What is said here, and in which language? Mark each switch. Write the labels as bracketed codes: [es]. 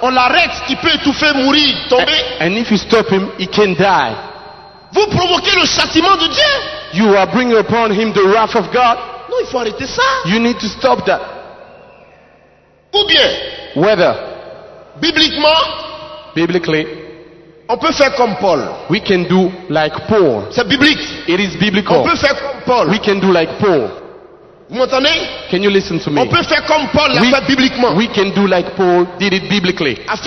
[fr] On l'arrête, il peut étouffer, mourir, tomber. [en] And if you stop him, he can die. [fr] Vous provoquez le châtiment de Dieu. [en] You are bringing upon him the wrath of God. [fr] Non, il faut arrêter ça. [en] You need to stop that. [fr] Ou bien, [en] whether, [fr] biblically, on peut faire comme Paul. [en] We can do like Paul. [fr] C'est biblique. [en] It is biblical. [fr] On peut faire comme Paul. [en] We can do like Paul. [fr] Vous m'entendez? [en] Can you listen to me? [fr] On peut faire comme Paul, l'a fait bibliquement. [en] We can do like Paul did it biblically.